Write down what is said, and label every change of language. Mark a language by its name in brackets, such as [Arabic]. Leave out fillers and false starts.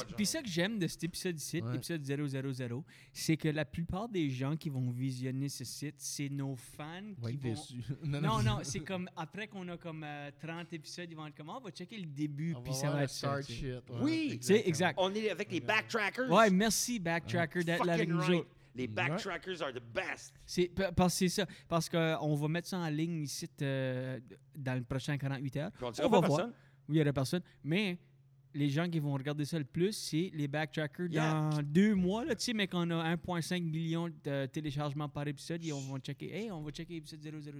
[French] Puis ça que j'aime de cet épisode ici, épisode 000, c'est que la plupart des gens qui vont visionner ce site, c'est nos fans qui vont. Déçus. Non, c'est comme après qu'on a comme 30 épisodes, ils vont être comme on va checker le début, puis ça va être start ça. Shit. Oui, c'est exact. On est avec les backtrackers. Ouais, merci backtracker d'être là avec nous. [English] Les backtrackers are the best. [French] Parce qu'on va mettre ça en ligne ici dans les prochaines 48 heures. On va voir. Oui, il n'y aurait personne. Mais les gens qui vont regarder ça le plus, c'est les backtrackers dans deux mois. Tu sais, mais qu'on a 1,5 million de téléchargements par épisode, et on va checker épisode 000.